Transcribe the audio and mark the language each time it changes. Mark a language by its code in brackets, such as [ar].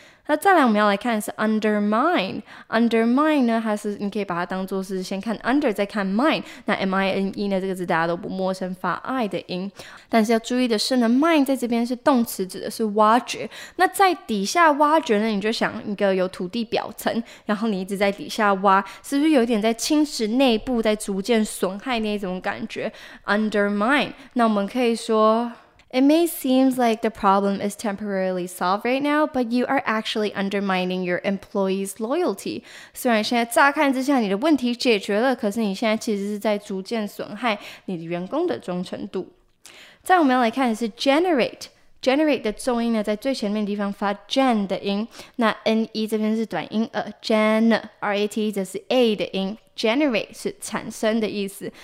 [zh] 那再来我们要来看的是 undermine。undermine 呢它是你可以把它当作是先看 under 再看 mine， 那 mine 呢这个字大家都不陌生，发 i 的音。但是要注意的是呢 mine 在这边是动词，指的是挖掘。那在底下挖掘呢，你就想一个有土地表层，然后你一直在底下挖，是不是有点在侵蚀内部，在逐渐损害那种感觉 undermine。那我们可以说 [en] It may seem like the problem is temporarily solved right now, but you are actually undermining your employees' loyalty. [zh] 虽然现在乍看之下你的问题解决了，可是你现在其实是在逐渐损害你的员工的忠诚度。再我们来看的是 generate。Generate 的重音呢在最前面的地方发 gen 的音，那 ne 这边是短音 gen,rat 则是 a 的音， generate 是产生的意思。